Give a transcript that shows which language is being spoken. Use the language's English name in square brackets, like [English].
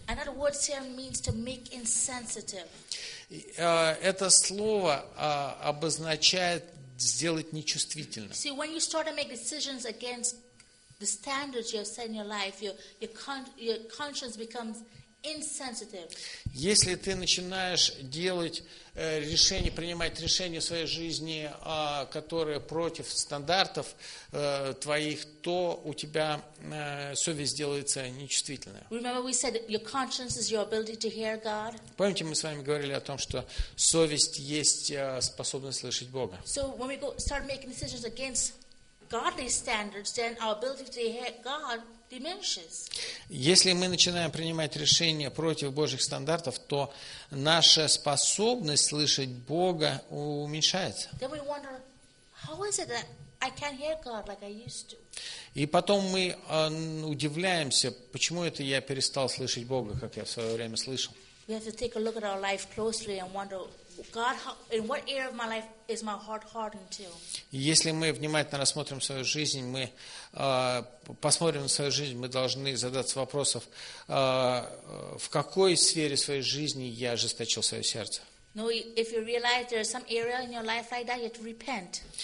[English] And that word sear means to make insensitive. [Russian] Это слово обозначает сделать нечувствительным. [English] See, when you start to make decisions against the standards you have set in your life, your conscience becomes insensitive. [Russian] Если ты начинаешь делать решение, принимать решение в своей жизни, которое против стандартов твоих, то у тебя совесть делается нечувствительной. [English] Remember, we said your conscience is your ability to hear God. [Russian] Помните, мы с вами говорили о том, что совесть есть способность слышать Бога. [English] So when we start making decisions against godly standards, then our ability to hear God diminishes. [Russian] Если мы начинаем принимать решения против Божьих стандартов, то наша способность слышать Бога уменьшается. [English] Then we wonder, how is it that I can't hear God like I used to? [Russian] И потом мы удивляемся, почему это я перестал слышать Бога, как я в свое время слышал. [English] We have to take a look at our life closely and wonder, God, in what area of my life is my heart hardened to? [Russian] Если мы внимательно рассмотрим свою жизнь, мы посмотрим на свою жизнь, мы должны задаться вопросом, в какой сфере своей жизни я ожесточил свое сердце. [English] No, if you realize there is some area in your life like that, you have to repent.